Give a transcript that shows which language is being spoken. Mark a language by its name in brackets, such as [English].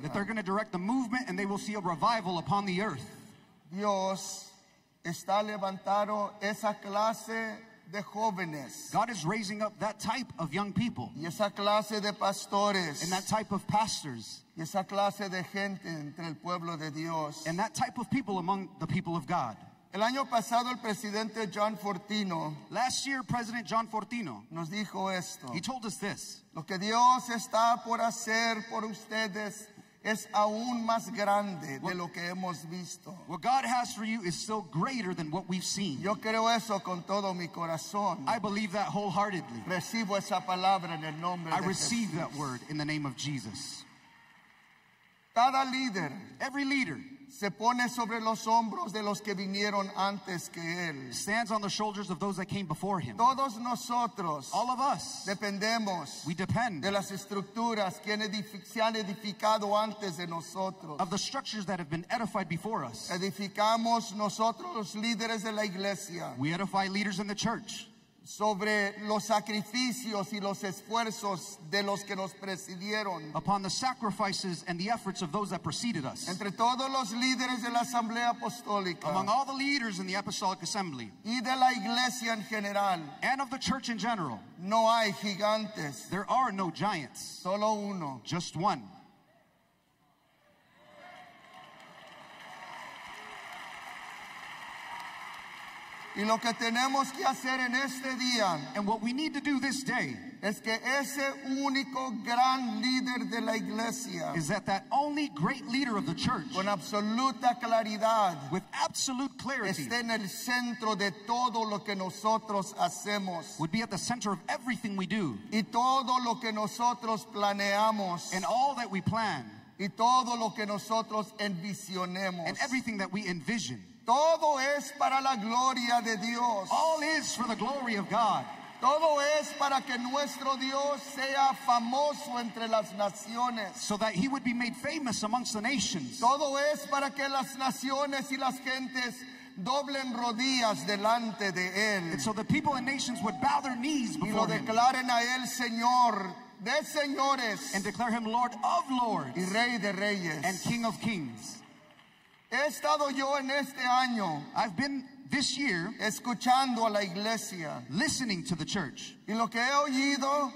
[English] that they're going to direct the movement and they will see a revival upon the earth. [Spanish] Dios está levantando esa clase de jóvenes. [English] God is raising up that type of young people. [Spanish] Y esa clase de pastores. [English] And that type of pastors. [Spanish] Y esa clase de gente entre el pueblo de Dios. [English] And that type of people among the people of God. [Spanish] El año pasado el presidente John Fortino. [English] Last year President John Fortino. [Spanish] Nos dijo esto. [English] He told us this. [Spanish] Lo que Dios está por hacer por ustedes es aún más grande de lo que hemos visto. [English] What God has for you is still greater than what we've seen. [Spanish] Yo creo eso con todo mi corazón. [English] I believe that wholeheartedly. [Spanish] Recibo esa palabra en el nombre de Jesús. [English] I receive that word in the name of Jesus. [Spanish] Cada líder, [English] every leader, [Spanish] se pone sobre los hombros de los que vinieron antes que él. [English] Stands on the shoulders of those that came before him. [Spanish] Todos nosotros, [English] all of us, [Spanish] dependemos, [English] we depend, [Spanish] de las estructuras que han edificado antes de nosotros. [English] Of the structures that have been edified before us. [Spanish] Edificamos nosotros los líderes de la iglesia. [English] We edify leaders in the church. [Spanish] Sobre los sacrificios y los esfuerzos de los que nos precedieron. [English] Upon the sacrifices and the efforts of those that preceded us. [Spanish] Entre todos los líderes de la Asamblea Apostólica. [English] Among all the leaders in the Apostolic Assembly. [Spanish] Y de la Iglesia en general. [English] And of the church in general. [Spanish] No hay gigantes. [English] There are no giants. [Spanish] Solo uno. [English] Just one. [Spanish] Y lo que tenemos que hacer en este día, [English] and what we need to do this day, [Spanish] es que ese único gran líder de la iglesia, [English] is that that only great leader of the church, [Spanish] con absoluta claridad, [English] with absolute clarity, [Spanish] esté en el centro de todo lo que nosotros hacemos, [English] would be at the center of everything we do, [Spanish] y todo lo que nosotros planeamos, [English] and all that we plan, [Spanish] y todo lo que nosotros envisionemos, [English] and everything that we envision. [Spanish] Todo es para la gloria de Dios. [English] All is for the glory of God. [Spanish] Todo es para que nuestro Dios sea famoso entre las naciones. [English] So that he would be made famous amongst the nations. [Spanish] Todo es para que las naciones y las gentes doblen rodillas delante de él. [English] And so the people and nations would bow their knees before him. [Spanish] Y lo declaren a él Señor de señores. [English] And declare him Lord of lords. [Spanish] Y Rey de reyes. [English] And King of kings. [Spanish] He estado yo en este año. [English] I've been this year [Spanish] escuchando a la iglesia, [English] listening to the church. [Spanish] Y lo que he oído,